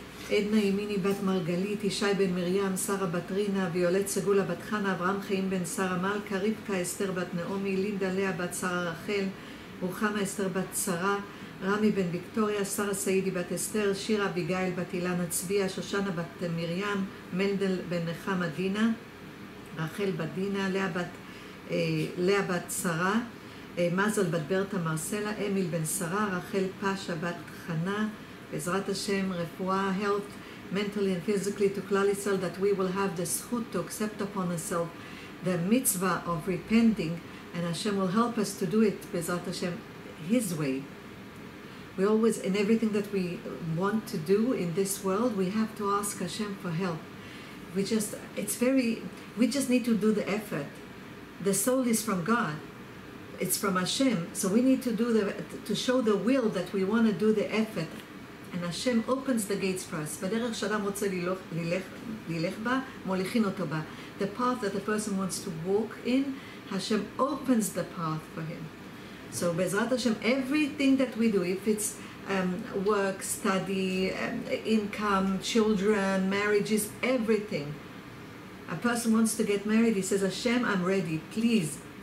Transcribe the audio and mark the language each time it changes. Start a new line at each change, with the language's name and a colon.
Hebrew: עדנה ימיני בת מרגלית, ישי בן מרים, שרה בת רינה, ויולט סגולה בת חנה, אברהם חיים בן שרה מלכה, רבקה אסתר בת נעמי, לינדה לאה בת שרה רחל, רוחמה אסתר בת שרה, רמי בן ויקטוריה, שרה סעידי בת אסתר, שירה אביגיל בת אילנה צביה, שושנה בת מרים, מנדל בן נחמה דינה, רחל בת דינה, לאה בת לאה בת שרה, מזל בת ברטה מרסלה, אמיל בן שרה, רחל פשה בת חנה, בעזרת השם, רפואה, health
English: mentally and physically to Klal Yisrael that we will have the zchut to accept upon ourselves the mitzvah of repenting, and Hashem will help us to do it Bezrat Hashem his way. We always, in everything that we want to do in this world, we have to ask Hashem for help. We just need to do the effort. The soul is from God, it's from Hashem, so we need to show the will that we want to do the effort, and Hashem opens the gates for us.
Hebrew: בדרך שאדם רוצה ללך בה, מוליכין אותו בה.
English: The path that the person wants to walk in, Hashem opens the path for him. So
Hebrew: בעזרת השם,
English: everything that we do, if it's work, study, income, children, marriages, everything. A person wants to get married, he says, Hashem, I'm ready, please.